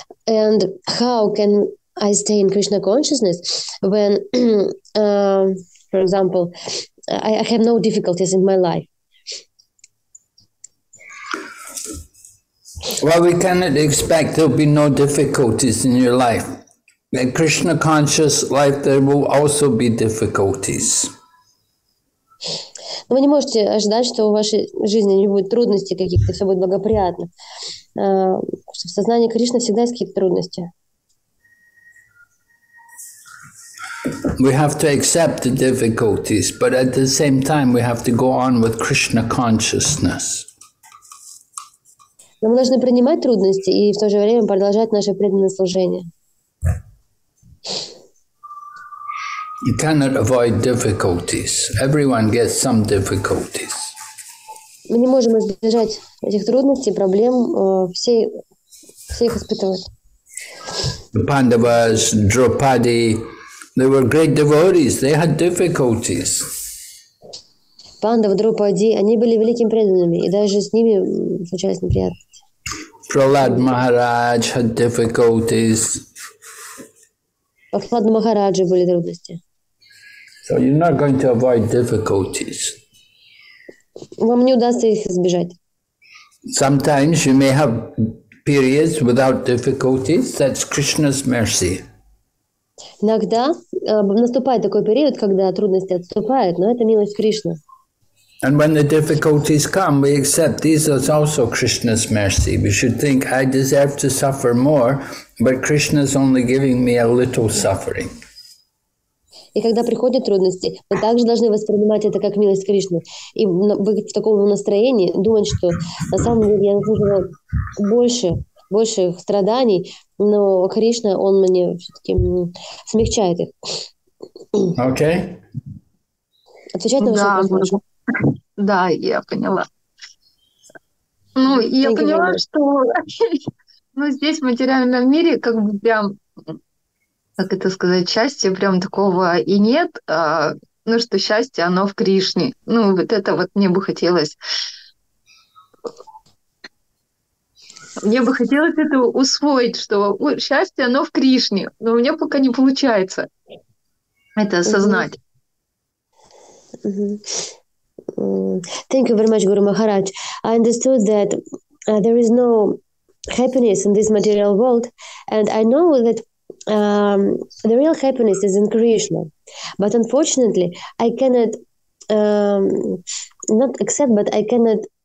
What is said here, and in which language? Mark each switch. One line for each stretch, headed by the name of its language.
English: And how can I stay in Krishna consciousness when, for example, I have no difficulties in my life? Well, we cannot expect there'll be no difficulties in your life. In Krishna conscious life, there will also be difficulties.
Russian: Вы не можете ожидать, что в вашей жизни не будет трудностей каких-то, все будет благоприятно. В сознании Кришны всегда есть какие-то трудности.
English: We have to accept the difficulties, but at the same time we have to go on with Krishna consciousness.
Russian: Но мы должны принимать трудности и в то же время продолжать наше преданное служение.
English: You cannot avoid difficulties. Everyone gets some difficulties.
Russian: Мы не можем избежать этих трудностей, проблем, все их испытывают.
English: The Pandavas, Draupadi, they were great devotees. They had difficulties.
Russian: Пандавы, Драупади, они были великими преданными, и даже с ними случались неприятности.
English: Prahlad Maharaj had difficulties.
Russian: Prahlad Maharaj были трудности.
English: So you're not going to avoid difficulties.
Russian: Вам не удастся их избежать.
English: Sometimes you may have periods without difficulties. That's Krishna's mercy.
Russian: Иногда наступает такой период, когда трудности отступают, но это милость Кришны.
English: And when the difficulties come, we accept these as also Krishna's mercy. We should think, I deserve to suffer more, but Krishna's only giving me a little suffering.
Russian: И когда приходят трудности, мы также должны воспринимать это как милость Кришны. И быть в таком настроении, думать, что на самом деле я заслуживаю больше страданий, но Кришна, он мне все-таки смягчает их.
English: Okay.
Russian: Отвечать на ваш вопрос. Да, я поняла. Ну, я поняла, что ну, здесь, в материальном мире, как бы прям, как это сказать, счастья прям такого и нет. ну, что счастье, оно в Кришне. Ну, вот это вот мне бы хотелось. Мне бы хотелось это усвоить, что счастье, оно в Кришне. Но у меня пока не получается это осознать.
English: Thank you very much, Guru Maharaj. I understood that there is no happiness in this material world, and I know that the real happiness is in Krishna. But unfortunately, I cannot not accept, but I cannot.